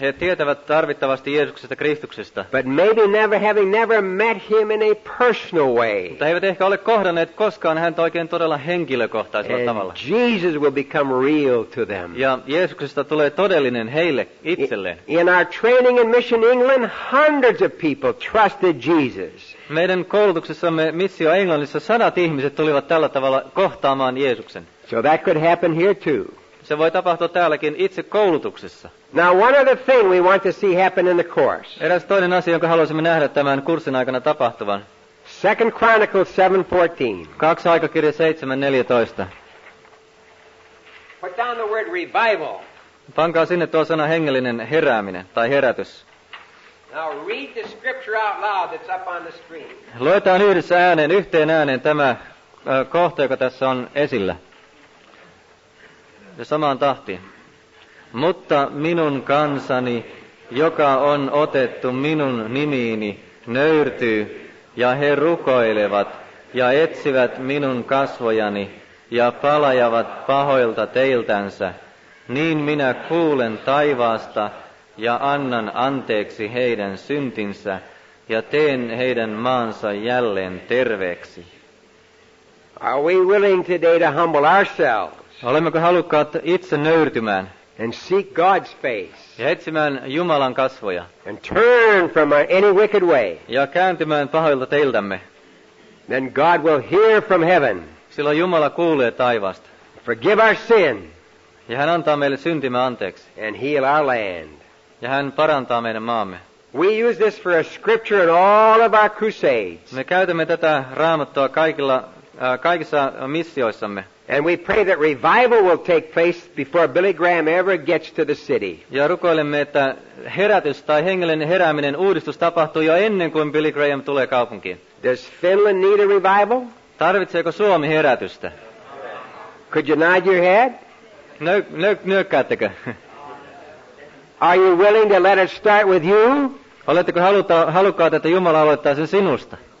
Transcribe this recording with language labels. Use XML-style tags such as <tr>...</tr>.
<fi>He tietävät tarvittavasti Jeesuksesta Kristuksesta.</fi> <en>But maybe never having never met him in a personal way.</en> <fi>Mutta eivät ehkä ole kohdanneet koskaan häntä oikein todella henkilökohtaisella tavalla.</fi> <en>And Jesus will become real to them.</en> <fi>Ja Jeesuksesta tulee todellinen heille itselleen.</fi> <en>In our training in Mission England, hundreds of people trusted Jesus.</en> <fi>Meidän koulutuksessamme missio Englannissa sadat ihmiset tulivat tällä tavalla kohtaamaan Jeesuksen.</fi> <en>So that could happen here too.</en> <fi>Se voi tapahtua täälläkin itse koulutuksessa.</fi> <en>Now one other thing we want to see happen in the course.</en> <fi>Eräs toinen asia, jonka haluaisimme nähdä tämän kurssin aikana tapahtuvan.</fi> <en>2 Chronicles 7:14.</en> <fi>Kaksi aikakirja 7:14.</fi> <en>Put down the word revival.</en> <fi>Pankaa sinne tuo sana hengellinen herääminen tai herätys.</fi> <en>Now read the scripture out loud that's up on the screen.</en> <fi>Luetaan yhdessä ääneen, yhteen ääneen tämä kohta, joka tässä on esillä. Ja samaan tahtiin. Mutta minun kansani, joka on otettu minun nimiini, nöyrtyy, ja he rukoilevat, ja etsivät minun kasvojani, ja palajavat pahoilta teiltänsä. Niin minä kuulen taivaasta, ja annan anteeksi heidän syntinsä, ja teen heidän maansa jälleen terveeksi.</fi> <en>Are we willing today to humble ourselves?</en> <fi>Olemmeko halukkaat itse nöyrtymään?</fi> <en>And seek God's face.</en> <fi>Ja etsimään Jumalan kasvoja.</fi> <en>And turn from any wicked way.</en> <fi>Ja kääntymään pahoilta teiltämme.</fi> <en>Then God will hear from heaven.</en> <fi>Silloin Jumala kuulee taivaasta.</fi> <en>Forgive our sin.</en> <fi>Ja hän antaa meille syntimme anteeksi.</fi> <en>And heal our land.</en> <fi>Ja hän parantaa meidän maamme.</fi> <en>We use this for a scripture in all of our crusades.</en> <fi>Me käytämme tätä raamattua kaikissa missioissamme.</fi> <en>And we pray that revival will take place before Billy Graham ever gets to the city.</en> <fi>Ja rukoilemme, että herätys tai hengellinen herääminen uudistus tapahtuu jo ennen kuin Billy Graham tulee kaupunkiin.</fi> <en>Does Finland need a revival?</en> <fi>Tarvitseeko Suomi herätystä?</fi> <en>Could you nod your head?</en> <fi>Nyökkäättekö?</fi> <en>Are you willing to let it start with you?</en> <fi>Oletteko halukkaat, että Jumala aloittaa sen sinusta?</fi>